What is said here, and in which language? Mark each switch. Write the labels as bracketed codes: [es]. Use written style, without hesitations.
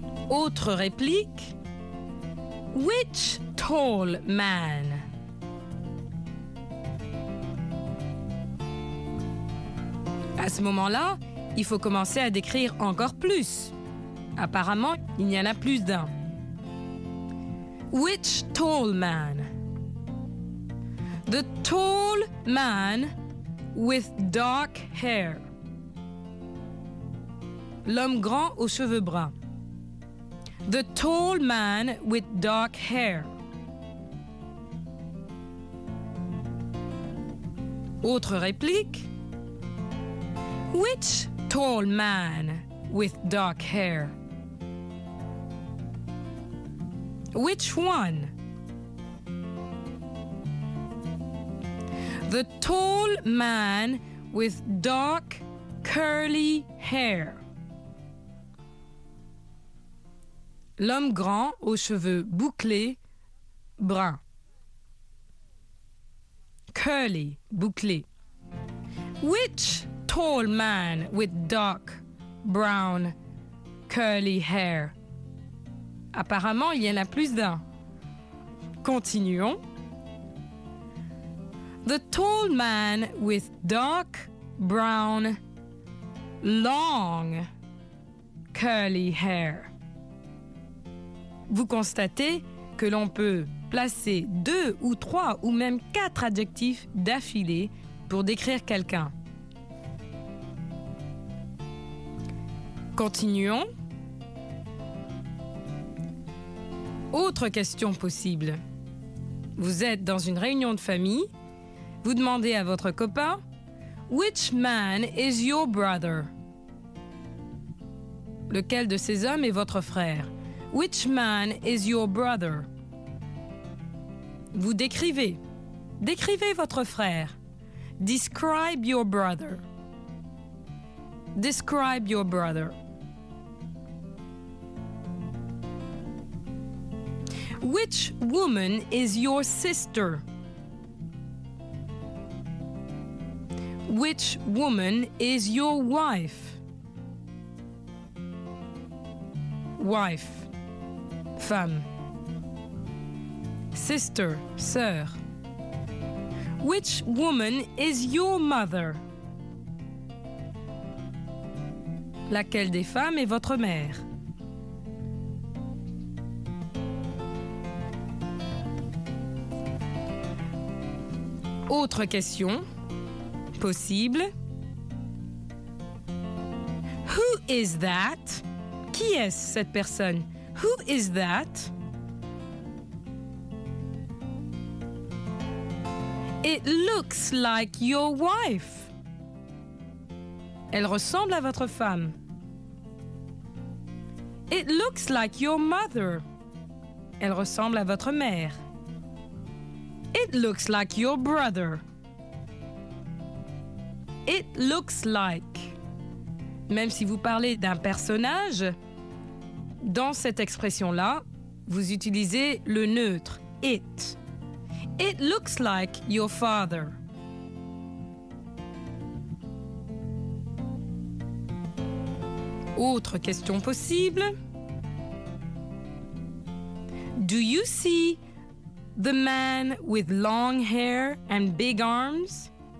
[fr] Autre réplique. [en] Which tall man? [fr] À ce moment-là, il faut commencer à décrire encore plus. Apparemment, il y en a plus d'un. [en] Which tall man? The tall man with dark hair. [fr] L'homme grand aux cheveux bruns. [en] The tall man with dark hair. [fr] Autre réplique. [en] Which tall man with dark hair? Which one? The tall man with dark curly hair. [fr] L'homme grand aux cheveux bouclés, brun. [en] Curly, bouclé. Which tall man with dark brown curly hair. [fr] Apparemment, il y en a plus d'un. Continuons. [en] The tall man with dark brown long curly hair. [fr] Vous constatez que l'on peut placer deux ou trois ou même quatre adjectifs d'affilée pour décrire quelqu'un. Continuons. Autre question possible. Vous êtes dans une réunion de famille. Vous demandez à votre copain, [en] Which man is your brother? [fr] Lequel de ces hommes est votre frère? [en] Which man is your brother? [fr] Vous décrivez. Décrivez votre frère. [en] Describe your brother. Describe your brother. Which woman is your sister? Which woman is your wife? Wife. femme. Sister, sœur. Which woman is your mother? [fr] Laquelle des femmes est votre mère? Autre question possible. [en] Who is that? [fr] Qui est-ce cette personne? [en] Who is that? It looks like your wife. [fr] Elle ressemble à votre femme. [en] It looks like your mother. [fr] Elle ressemble à votre mère. [en] It looks like your brother. It looks like. [fr] Même si vous parlez d'un personnage, dans cette expression-là, vous utilisez le neutre, it. [en] It looks like your father. [fr] Autre question possible. [en] Do you see the man with long hair and big arms?